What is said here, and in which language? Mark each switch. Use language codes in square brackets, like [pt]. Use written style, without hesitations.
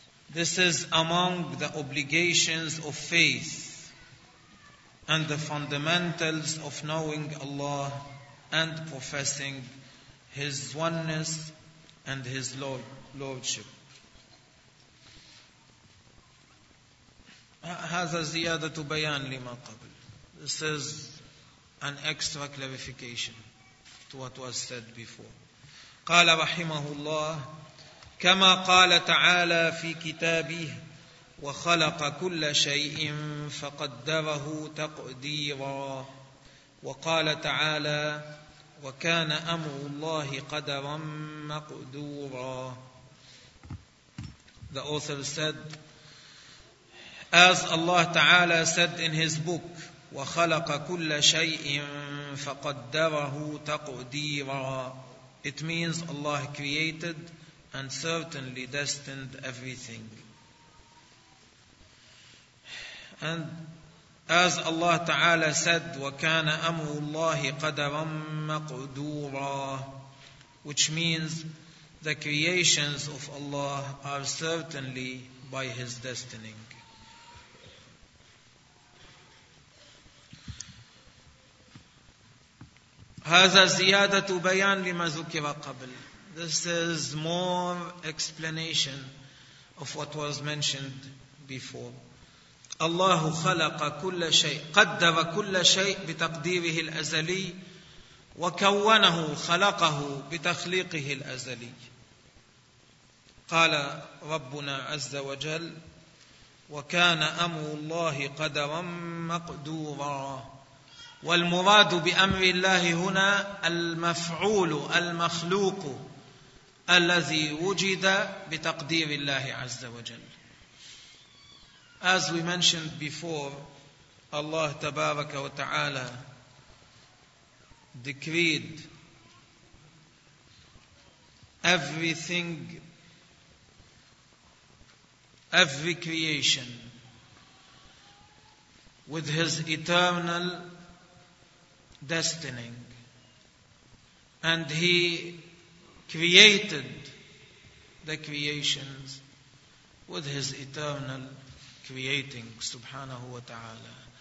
[en] This is among the obligations of faith and the fundamentals of knowing Allah and professing His oneness and His lordship. [ar] هذا زيادة بيان لما قبل. [en] This is an extra clarification to what was said before. [ar] قال رحمه الله كما قال تعالى في كتابه وخلق كل شيء فقدره تقديرا وقال تعالى وكان أمر الله قدرا مقدورا. [en] The author said, as Allah Ta'ala said in His book, [ar] وَخَلَقَ كُلَّ شَيْءٍ فَقَدَّرَهُ تَقْدِيرًا. [en] It means Allah created and certainly destined everything. And as Allah Ta'ala said, [ar] وَكَانَ أَمْرُ اللَّهِ قَدَرًا مَقْدُورًا, [en] which means the creations of Allah are certainly by His destiny. [ar] هذا زيادة بيان لما ذكر قبل. [en] This is more explanation of what was mentioned before. [ar] الله خلق كل شيء, قدر كل شيء بتقديره الأزلي, وكونه خلقه بتخليقه الأزلي. قال ربنا عز وجل وكان أمر الله قدرا مقدورا. والمراد بأمر الله هنا المفعول المخلوق الذي وجد بتقدير الله عز وجل. [en] As we mentioned before, Allah [ar] تبارك وتعالى [en] decreed everything, every creation with His eternal destiny, and He created the creations with His eternal creating, subhanahu wa ta'ala.